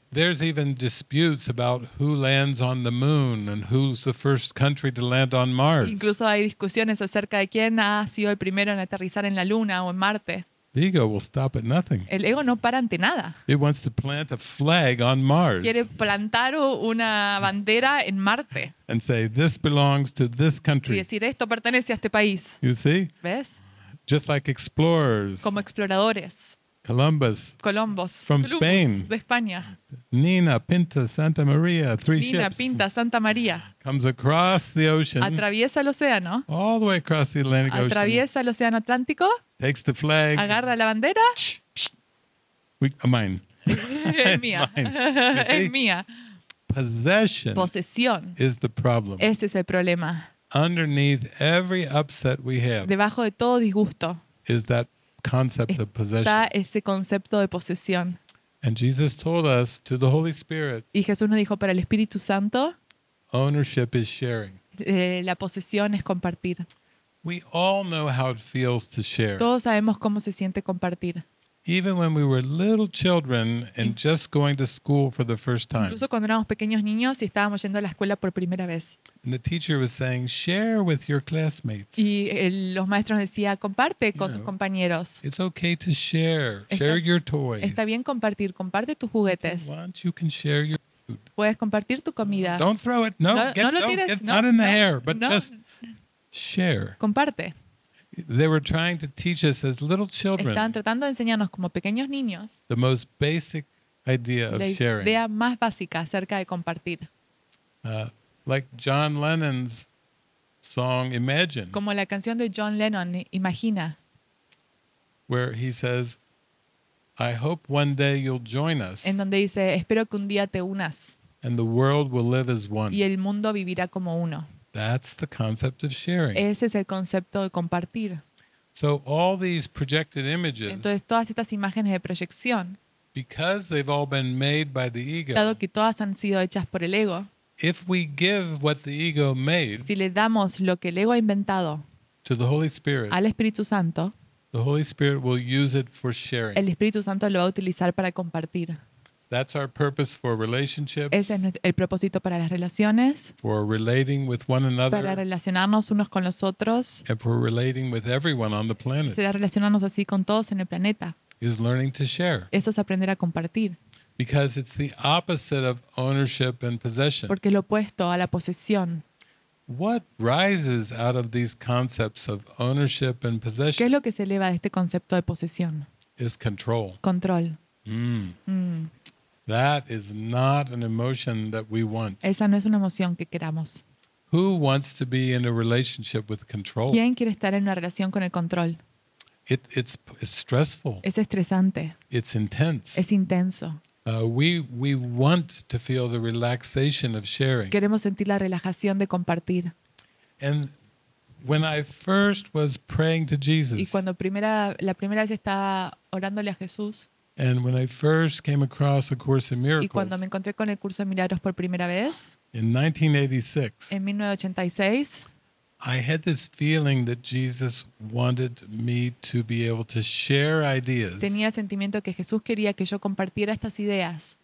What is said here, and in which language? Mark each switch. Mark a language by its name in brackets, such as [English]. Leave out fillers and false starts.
[English] There's even disputes about who lands on the moon and who's the first country to land on Mars. [Spanish] Incluso hay discusiones acerca de quién ha sido el primero en aterrizar en la Luna o en Marte. [English] The ego will stop at nothing. [Spanish] El ego no para ante nada. [English] It wants to plant a flag on Mars. [Spanish] Quiere plantar una bandera en Marte. [English] And say, this belongs to this country. [Spanish] Y decir, esto pertenece a este país. [English] You see? [Spanish] ¿Ves? [English] Just like explorers. [Spanish] Como exploradores. [English] Columbus. [Spanish] Columbus. [English] From Spain. [Spanish] De España. [English] Nina Pinta Santa Maria, three ships. [Spanish] Nina Pinta Santa Maria. [English] Comes across the ocean. [Spanish] Atraviesa el océano. [English] All the way across the Atlantic Ocean. [Spanish] Atraviesa el océano Atlántico. [English] Takes the flag. [Spanish] Agarra la bandera. [English] Mine. [Spanish] Es mía. Es mía. [English] Possession. [Spanish] Posesión. [English] Is the problem. [Spanish] Ese es el problema. [English] Underneath every upset we have. [Spanish] Debajo de todo disgusto. [English] Is that concept of possession. [Spanish] Está ese concepto de posesión. [English] And Jesus told us to the Holy Spirit. [Spanish] Y Jesús nos dijo para el Espíritu Santo. [English] Ownership is sharing. [Spanish] La posesión es compartir. [English] We all know how it feels to share. [Spanish] Todos sabemos cómo se siente compartir. [English] Even when we were little children and just going to school for the first time. [Spanish] Incluso cuando éramos pequeños niños y estábamos yendo a la escuela por primera vez. [English] And the teacher was saying, share with your classmates. [Spanish] Y los maestros decían, comparte con tus compañeros. [English] It's okay to share. Share your toys. [Spanish] Está bien compartir. Comparte tus juguetes. [English] Once you can share your food. [Spanish] Puedes compartir tu comida. [English] Don't throw it. No, [Spanish] no, no lo tires. No, [English] not in the hair, but no. Just share. [Spanish] Comparte. [English] They were trying to teach us as little children. [Spanish] Estaban tratando de enseñarnos como pequeños niños. [English] The most basic idea of sharing. [Spanish] La idea más básica acerca de compartir. [English] Like John Lennon's song Imagine. [Spanish] Como la canción de John Lennon Imagina. [English] Where he says, I hope one day you'll join us. [Spanish] En donde dice, espero que un día te unas. [English] And the world will live as one. [Spanish] Y el mundo vivirá como uno. [English] That's the concept of sharing. [Spanish] Ese es el concepto de compartir. [English] So all these projected images. [Spanish] Entonces todas estas imágenes de proyección. [English] Because they've all been made by the ego. [Spanish] Dado que todas han sido hechas por el ego. [English] If we give what the ego made. [Spanish] Si le damos lo que el ego ha inventado. [English] To the Holy Spirit. [Spanish] Al Espíritu Santo. [English] The Holy Spirit will use it for sharing. [Spanish] El Espíritu Santo lo va a utilizar para compartir. [English] That's our purpose for relationships. [Spanish] Ese es el propósito para las relaciones. [English] For relating with one another. [Spanish] Para relacionarnos unos con los otros. [English] And for relating with everyone on the planet. [Spanish] Será relacionarnos así con todos en el planeta. [English] Is learning to share. [Spanish] Eso es aprender a compartir. [English] Because it's the opposite of ownership and possession. [Spanish] Porque es lo opuesto a la posesión. [English] What rises out of these concepts of ownership and possession? [Spanish] ¿Qué es lo que se eleva de este concepto de posesión? [English] Is control. [Spanish] Control. Mm. [English] That is not an emotion that we want. [Spanish] Esa no es una emoción que queramos. [English] Who wants to be in a relationship with control? [Spanish] ¿Quién quiere estar en una relación con el control? [English] It's stressful. [Spanish] Es estresante. [English] It's intense. [Spanish] Es intenso. [English] We want to feel the relaxation of sharing. [Spanish] Queremos sentir la relajación de compartir. [English] And when I first was praying to Jesus. [Spanish] Y cuando la primera vez estaba orándole a Jesús. [English] And when I first came across A Course in Miracles. [Spanish] Y cuando me encontré con el curso de milagros por primera vez. [English] In 1986. [Spanish] En 1986. [English] I had this feeling that Jesus wanted me to be able to share ideas. [Spanish] Tenía el sentimiento que Jesús quería que yo compartiera estas ideas.